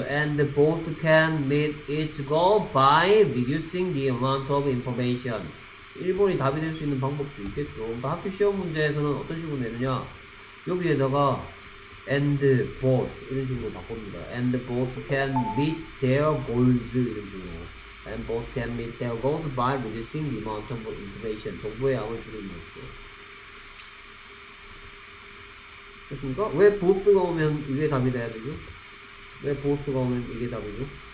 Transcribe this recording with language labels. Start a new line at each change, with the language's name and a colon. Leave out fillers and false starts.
English: And both can meet its goal by reducing the amount of information.
Korean: 1번이 답이 될 수 있는 방법도 있겠죠. 그러니까 학교 시험 문제에서는 어떤 식으로 내느냐. 여기에다가
English: and both
Korean: 이런 식으로 바꿉니다.
English: And both can meet their goals
Korean: 이런 식으로.
English: and both can meet their goals by reducing the amount of information.
Korean: 정부의 양을 줄이면서. 됐습니까? 왜 보스가 오면 이게 답이 돼야 되죠? 왜 보스가 오면 이게 답이죠?